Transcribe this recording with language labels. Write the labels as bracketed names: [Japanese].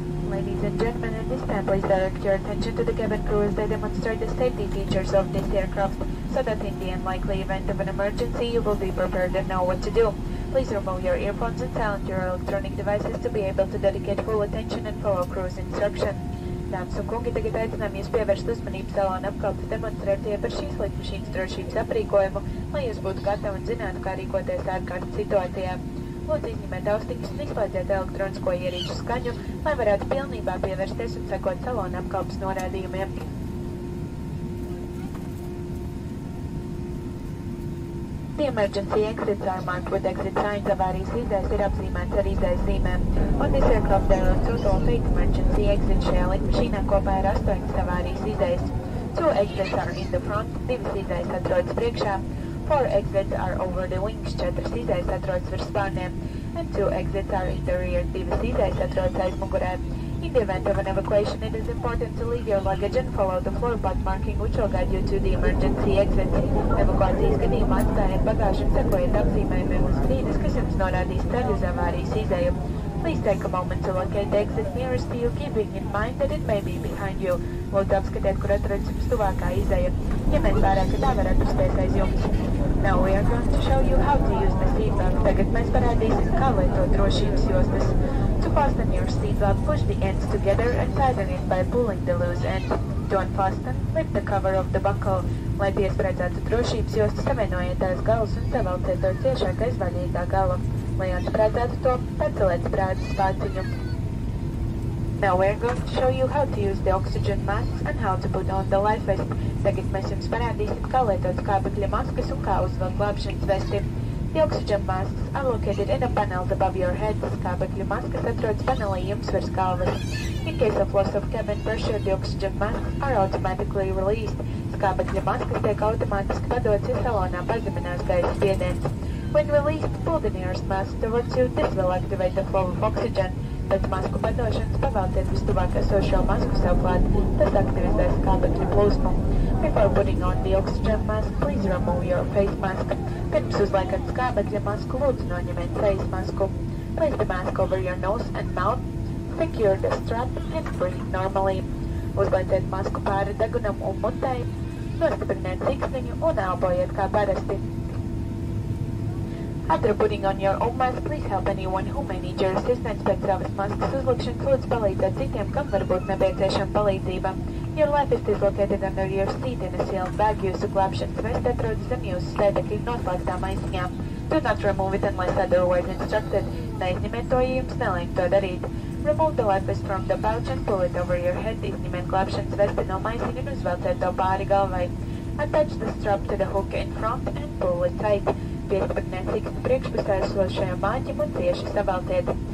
[English] ladies and gentlemen, at this time, please direct your attention to the cabin crew as they demonstrate the safety features of this aircraft so that in the unlikely event of an emergency, you will be prepared and know what to do. Please remove your earphones and silence your electronic devices to be able to dedicate full attention and follow crew's instruction. [Latvian] Dāmas un kungi, tagad aicinām jūs pievērst uzmanību salona apkalpes demonstrācijai par šīs lidmašīnas drošības aprīkojumu, lai jūs būtu gatavi un zinātu, kā rīkoties ārkārtas situācijā. Lūdzu, izņemiet austiņas un izslēdziet elektronisko ierīču skaņu, lai varētu pilnībā pievērsties un sekot salona apkalpes norādījumiem. [English] The emergency exits are marked with exit signs. [Latvian] Avarijas izejas ir apzīmētas ar izejas zīmēm. [English] On this aircraft, there are total 8 emergency exits. [Latvian] Šajā lidmašīnā kopā ir 8 avarijas izejas. [English] 2 exits are in the front, [Latvian] 2 izejas atrodas priekšā. [English] 4 exits are over the wings, [Latvian] 4 izejas atrodas virs spārniem. [English] And 2 exits are in the rear, [Latvian] 2 izejas atrodas aiz mugurē. [English] In the event of an evacuation, it is important to leave your luggage and follow the floor path marking, which will guide you to the emergency exit. [Latvian] Evakuācijas gadījumā atstājiet bagāžu un sekojiet apzīmējumiem uz brīdis, kas jums norādīs ceļu uz avārijas izeju. [English] Please take a moment to locate the exit nearest to you, keeping in mind that it may be behind you. [Latvian] Lūdzu apskatiet, kur atrodas jums tuvākā izeja, ņemiet vērā, ka tā varētu spēt aiz jums. [English] Now we are going to show you how to use the seatbelt. [Latvian] Tagad mēs parādīsim, kā lietot drošības jostas. [English] To fasten your seatbelt, push the ends together and tighten it by pulling the loose end. To unfasten, lift the cover of the buckle. [Latvian] Lai piespraidzētu drošības jostu, savienojiet tās galus un savelciet to ciešāk aizvaļītā gala. Lai atspraidzētu to, paceliet sprādzes vāciņu. [English] Now we are going to show you how to use the oxygen masks and how to put on the life vest. [Latvian] Tagad mēs jums parādīsim, kā lietot skābekļa maskas un kā uzvelk glābšanas vesti. [English] The oxygen masks are located in a panel above your head. [Latvian] Skābekļu maskas atrodas panelī jums virs galvas. [English] In case of loss of cabin pressure, the oxygen masks are automatically released. [Latvian] Skābekļu maskas tiek automātiski padotas, ja salonā pazeminās gaisa spiediens. [English] When released, pull the nearest mask towards you. This will activate the flow of oxygen. [Latvian] Pēc masku padošanas pavēlciet vis tuvāk esošo masku savklāt. Tas aktivizēs skābekļu plūsmu. [English] Before putting on the oxygen mask, please remove your face mask. [Latvian] Pirms uzliekat skābekļa masku, lūdzu noņemiet face masku. [English] Place the mask over your nose and mouth, secure the strap and breathe normally. [Latvian] Uzlieciet masku pāri degunam un mutei, nostipriniet siksniņu un elpojiet kā parasti. [English] After putting on your own mask, please help anyone who may need your assistance. [Latvian] Pēc savas maskas uzlikšanas, lūdzu palīdzēt citiem, kam varbūt nepieciešama palīdzība. [English] Your life vest is located under your seat in a sealed bag. [Latvian] Jūsu glābšanas vesti atrodas zem jūsu sēdekļa noslēgtā maisiņā. [English] Do not remove it unless otherwise instructed. [Latvian] Neizņemiet to, ja jums neliek to darīt. [English] Remove the life vest from the pouch and pull it over your head. [Latvian] Izņemiet glābšanas vesti no maisiņa un uzvelciet to pāri galvai. [English] Attach the strap to the hook in front and pull it tight. [Latvian] Piespatnēt siksni priekšpusē esošajam āķim un cieši savelciet.